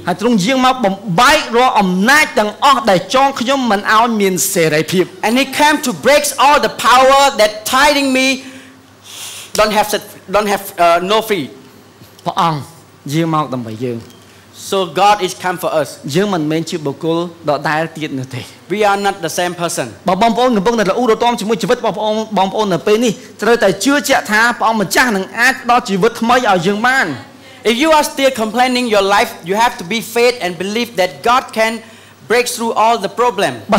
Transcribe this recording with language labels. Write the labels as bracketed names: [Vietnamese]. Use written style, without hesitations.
[Khmer] ហើយ ទ្រង់ ជាង មក បំបែក រាល់ អំណាច ទាំង អស់ ដែល ចង ខ្ញុំ មិន ឲ្យ មាន សេរី ភាព. [English] And he came to break all the power that tying me don't have no free. [Khmer] ព្រះអង្គ ជាង មក ដើម្បី យើង. [English] So God is come for us. [Khmer] យើង មិន មែន ជា បុគ្គល ដដែល ទៀត នោះ ទេ. [English] We are not the same person. [Khmer] បើ បង ប្អូន កំពុង តែ រអ៊ូ រទាំ ជាមួយ ជីវិត របស់ បង បង ប្អូន នៅ ពេល នេះ ត្រូវ តែ ជឿ ជាក់ ថា ព្រះអង្គ ម្ចាស់ នឹង អាច ដល់ ជីវិត ថ្មី ឲ្យ យើង បាន. [English] If you are still complaining your life, you have to be faith and believe that God can break through all the problem.